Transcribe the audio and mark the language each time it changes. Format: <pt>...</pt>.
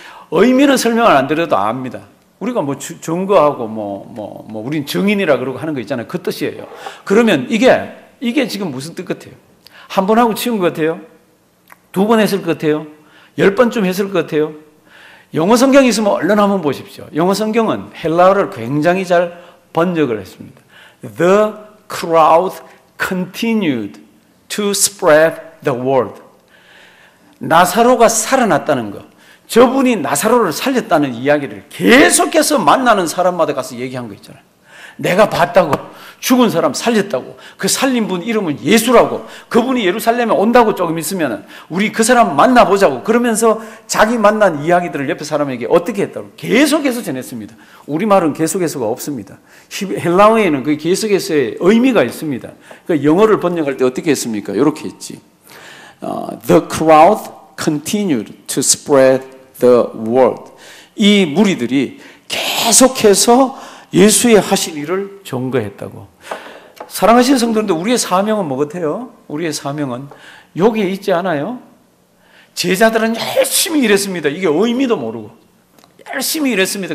<ko>의미는 설명을 안 드려도 압니다. 우리가 뭐 증거하고 뭐 우린 증인이라 그러고 하는 거 있잖아요. 그 뜻이에요. 그러면 이게 지금 무슨 뜻 같아요? 한 번 하고 치운 것 같아요? 두 번 했을 것 같아요? 열 번쯤 했을 것 같아요? 영어 성경이 있으면 얼른 한번 보십시오. 영어 성경은 헬라어를 굉장히 잘 번역을 했습니다.</ko> <en>The crowd continued to spread the word.</en> <ko>나사로가 살아났다는 것. 저분이 나사로를 살렸다는 이야기를 계속해서 만나는 사람마다 가서 얘기한 거 있잖아요. 내가 봤다고 죽은 사람 살렸다고 그 살린 분 이름은 예수라고 그분이 예루살렘에 온다고 조금 있으면 우리 그 사람 만나보자고 그러면서 자기 만난 이야기들을 옆에 사람에게 어떻게 했다고 계속해서 전했습니다. 우리말은 계속해서가 없습니다. 헬라어에는 그 계속해서의 의미가 있습니다. 그러니까 영어를 번역할 때 어떻게 했습니까? 이렇게 했지.</ko> <en>The crowd continued to spread the word.</en> <ko>이 무리들이 계속해서 예수의 하신 일을 증거했다고. 사랑하시는 성도님들, 우리의 사명은 뭐 같아요? 우리의 사명은 여기에 있지 않아요? 제자들은 열심히 일했습니다. 이게 의미도 모르고 열심히 일했습니다.</ko>